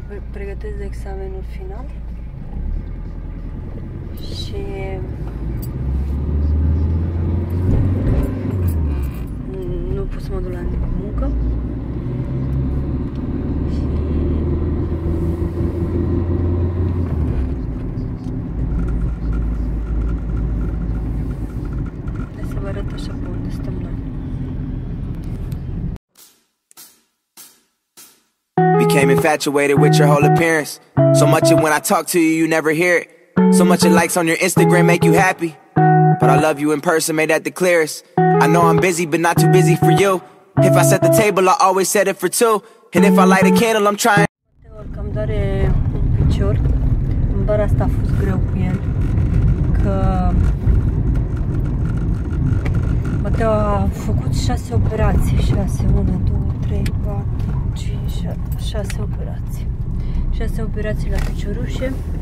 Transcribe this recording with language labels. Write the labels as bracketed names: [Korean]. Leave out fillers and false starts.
[Romanian] Pregătesc de examenul final și nu pot să mă duc la muncă și hai să vă arăt așa pe unde stăm noi. [English] Became infatuated with your whole appearance. So much of when I talk to you, you never hear it. So much of likes on your Instagram make you happy. But I love you in person, made that the clearest. I know I'm busy, but not too busy for you. If I set the table, I always set it for two. And if I light a candle, I'm trying. [Romanian] Cam doare un picior. În bar asta a fost greu cu el. Că Mateo a făcut 6 operații. 6, 1, 2, 3, 4, 6 operații. 6 operații la piciorușe.